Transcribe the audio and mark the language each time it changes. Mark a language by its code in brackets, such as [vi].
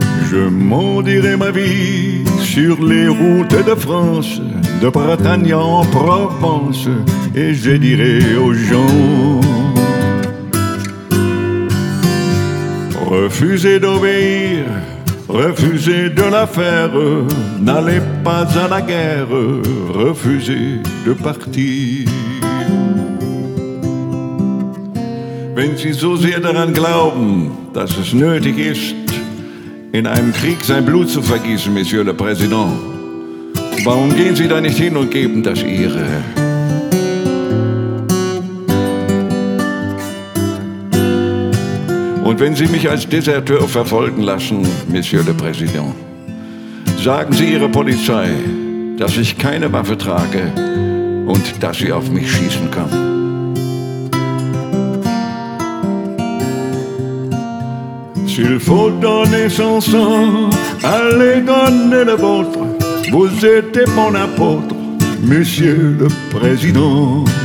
[fr] Je mendierai ma vie sur les routes de France, de Bretagne en Provence, et je dirai aux gens: refusez d'obéir, refusez de la faire, n'allez pas à la guerre, refusez de partir. [de] Wenn Sie so sehr daran glauben, dass es nötig ist, in einem Krieg sein Blut zu vergießen, [fr] Monsieur le Président, [de] warum gehen Sie da nicht hin und geben das Ihre? Und wenn Sie mich als Deserteur verfolgen lassen, [fr] Monsieur le Président, [de] sagen Sie Ihrer Polizei, dass ich keine Waffe trage und dass sie auf mich schießen kann. [fr] S'il faut donner son sang, allez donner le vôtre. Vous êtes mon apôtre, Monsieur le Président.